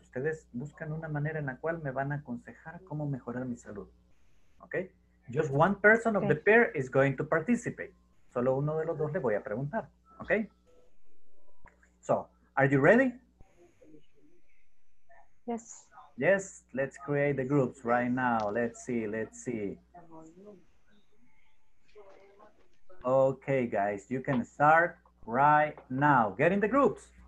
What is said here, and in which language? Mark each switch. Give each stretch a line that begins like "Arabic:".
Spanish: Ustedes buscan una manera en la cual me van a aconsejar cómo mejorar mi salud.
English: Okay? Just one person of the pair is going to participate.
Spanish: Solo uno de los dos le voy a preguntar.
English: Okay? So, are you ready? Yes. Yes, let's create the groups right now. Let's see, let's see. Okay, guys, you can start right now. Get in the groups.